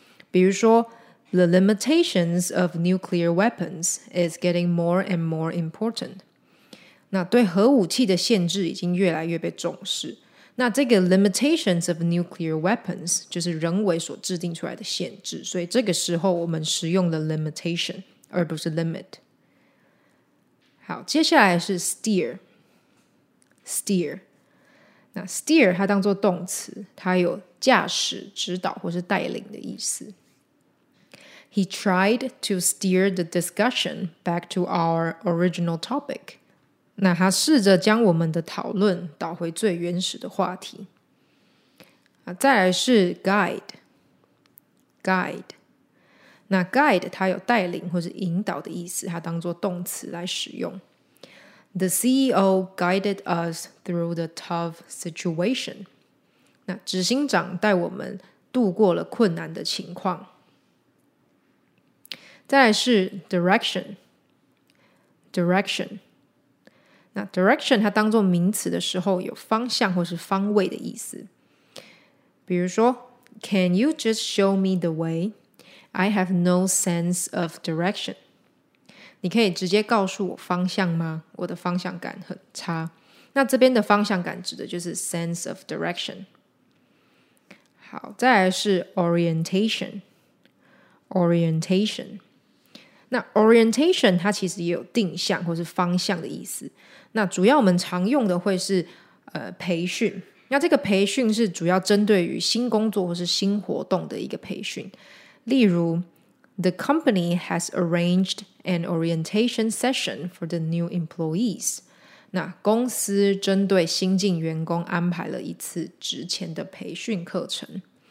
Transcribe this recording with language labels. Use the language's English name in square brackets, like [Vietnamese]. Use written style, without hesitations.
[Chinese] 比如说 [English] The limitations of nuclear weapons is getting more and more important. [Chinese] 那对核武器的限制已经越来越被重视。那这个 [English] limitations of nuclear weapons [Chinese] 就是人为所制定出来的限制，所以这个时候我们使用了 limitation 而不是 limit。好，接下来是 steer。那 steer 它当作动词，它有驾驶、指导或是带领的意思。 [English] He tried to steer the discussion back to our original topic. [Chinese] 那他试着将我们的讨论导回最原始的话题。再来是 guide。那 guide 它有带领或是引导的意思，它当作动词来使用。 [English] The CEO guided us through the tough situation. [Chinese] 那执行长带我们度过了困难的情况。再来是 direction。那 direction 它当作名词的时候有方向或是方位的意思。比如说 [English] Can you just show me the way? I have no sense of direction. [Chinese] 你可以直接告诉我方向吗？我的方向感很差。那这边的方向感指的就是 [English] sense of direction。 [Chinese] 好，再来是 orientation。那 orientation 它其实也有定向或是方向的意思。那主要我们常用的会是培训。那这个培训是主要针对于新工作或是新活动的一个培训。例如 [English] The company has arranged an orientation session for the new employees. [Chinese] 那公司针对新进员工安排了一次职前的培训课程。